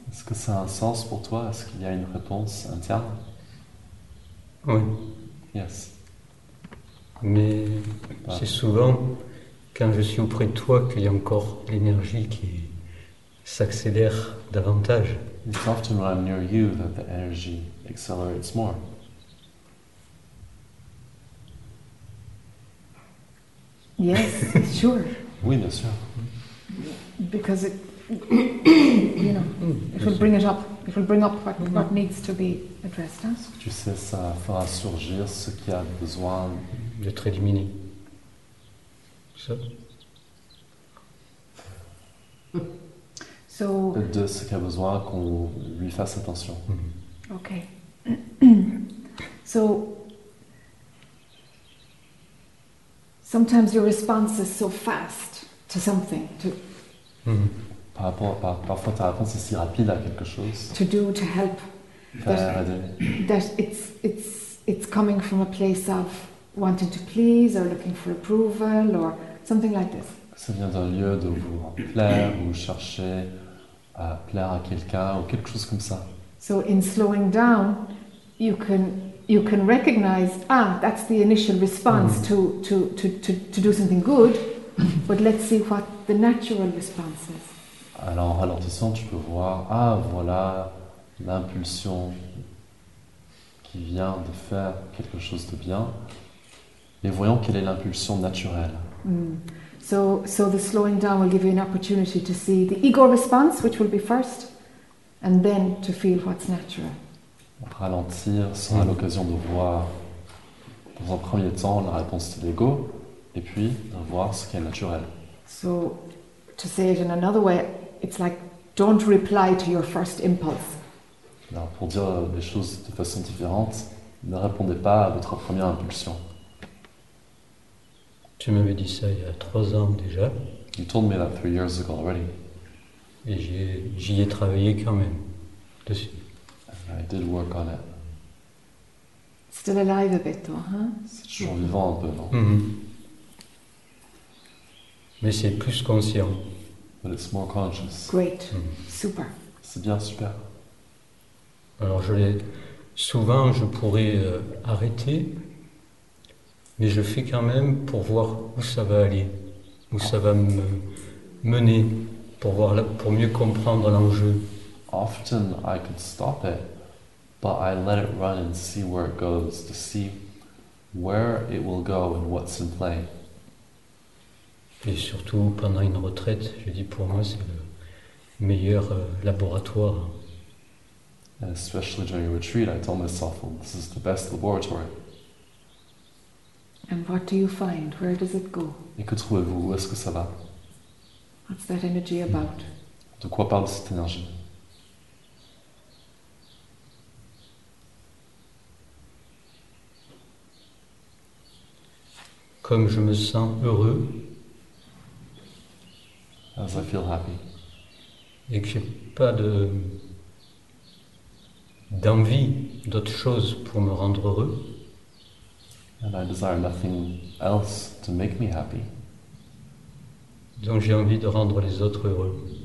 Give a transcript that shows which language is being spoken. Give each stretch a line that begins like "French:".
French: Est-ce que ça a un sens pour toi? Est-ce qu'il y a une réponse interne? Oui.
English: Yes.
French: Mais c'est souvent quand je suis auprès de toi qu'il y a encore l'énergie qui s'accélère davantage.
English: It's often when I'm near you that the energy accelerates more. Yes, sure.
French: Oui, bien sûr.
English: Because it... you know, it will bring it up. It will bring up what needs to be addressed.
French: Hein? Tu sais, ça fera surgir ce qui a besoin d'être éliminé. Ça.
English: So.
French: De ce qui a besoin qu'on lui fasse attention.
English: Okay. So. Sometimes your response is so fast to something. To.
French: Parfois ta réponse est si rapide à quelque chose.
English: To do, to help. That it's coming from a place of wanting to please or looking for approval or something like this.
French: Ça vient d'un lieu de vouloir plaire ou chercher à plaire à quelqu'un ou quelque chose comme ça.
English: So in slowing down, you can recognize that's the initial response to do something good, but let's see what the natural response is.
French: Alors en ralentissant, tu peux voir, ah voilà l'impulsion qui vient de faire quelque chose de bien. Mais voyons quelle est l'impulsion naturelle.
English: So the slowing down will give you an opportunity to see the ego response, which will be first, and then to feel what's natural.
French: Ralentir sera l'occasion de voir, dans un premier temps, la réponse de l'ego, et puis de voir ce qui est naturel.
English: So, to say it in another way, it's like, don't reply to your first impulse.
French: Alors, pour dire les choses de façon différente, ne répondez pas à votre première impulsion. Tu m'avais dit ça il y a 3 ans déjà.
English: You told me that 3 years ago already.
French: Et j'y ai travaillé quand même, dessus.
English: And I did work on it. Still alive a bit,
French: toi, hein? C'est toujours vivant un peu, non? Mais c'est plus conscient.
English: But it's more conscious. Great. Super.
French: C'est bien, super. Alors, souvent, je pourrais arrêter, mais je fais quand même pour voir où ça va aller, où ça va me mener, pour mieux comprendre l'enjeu.
English: Often, I could stop it, but I let it run and see where it goes, to see where it will go and what's in play.
French: Et surtout pendant une retraite, je dis pour moi c'est le meilleur laboratoire.
English: And especially during a retreat, I told myself, well, this is the best laboratory. And what do you find? Where does it go?
French: Et que trouvez-vous? Où est-ce que ça va?
English: What's that energy about?
French: De quoi parle cette énergie? Comme je me sens heureux.
English: as I feel happy.
French: Et que j'ai pas de d'envie d'autre chose pour me rendre heureux.
English: And I desire nothing else to make me happy.
French: Donc j'ai envie de rendre les autres heureux.